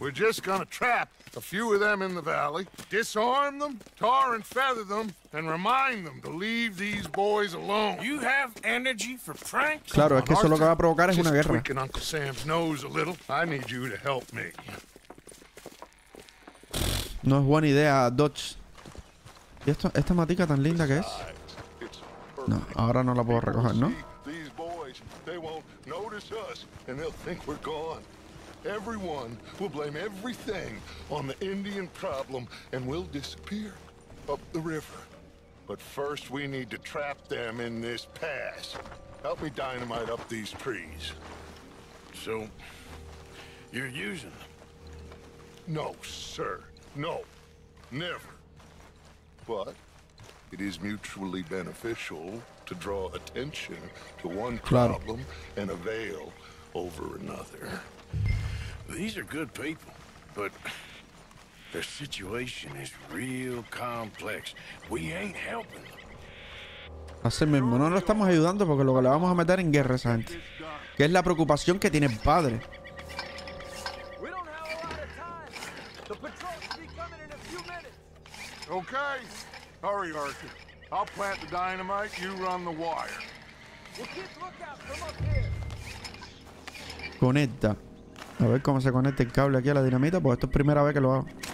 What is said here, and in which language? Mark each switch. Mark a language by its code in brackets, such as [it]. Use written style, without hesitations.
[en] We're just gonna trap a few of them in the valley, disarm them, tar and feather them, and remind them to leave these boys alone. You have energy for pranks? [es] Claro, es que eso lo que va a provocar es una guerra. [en] Just tweaking Uncle Sam's nose a little. I need you to help me. [es] No es buena idea, Dodge. ¿Y esto, esta matica tan linda que es? No, ahora no la puedo recoger, ¿no? [en] They won't notice us, and they'll think we're gone. Everyone will blame everything on the Indian problem, and we'll disappear up the river. But first, we need to trap them in this pass. Help me dynamite up these trees. So, you're using them? No, sir. No. Never. But it is mutually beneficial to draw attention to one problem and a veil over another. These are good people, but their situation is real complex. We ain't helping them. [es] Así mismo, no lo estamos ayudando porque lo que le vamos a meter en guerra, esa gente. Que es la preocupación que tiene el padre. [en] We don't have a lot of time. The patrol should be coming in a few minutes. Okay. Hurry, Arthur. I'll plant the dynamite, you run the wire. We'll keep lookout from up here. [es] Conecta. A ver cómo se conecta el cable aquí a la dinamita, pues esto es primera vez que lo hago.